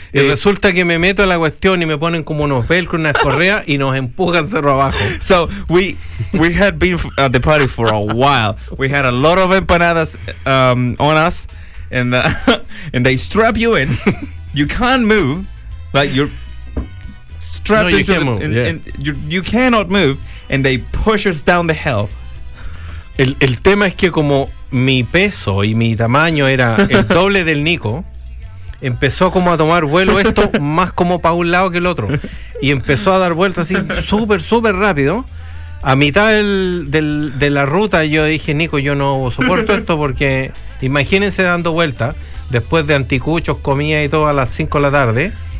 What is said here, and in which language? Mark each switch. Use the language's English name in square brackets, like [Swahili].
[Spanish] Y resulta que me meto en la cuestión y me ponen como unos velcro, unas correas y nos empujan cerro abajo. [English] So we had been at the party for a while. We had a lot of empanadas on us and they strap you in. You can't move, like you're strapped into you cannot move and they push us down the hill. [Spanish] El tema es que como mi peso y mi tamaño era el doble del Nico, empezó como a tomar vuelo esto más como para un lado que el otro y empezó a dar vueltas así súper súper rápido. A mitad de la ruta yo dije, Nico, yo no soporto esto, porque imagínense dando vueltas después de anticuchos, comida y todo a las 5 de la tarde.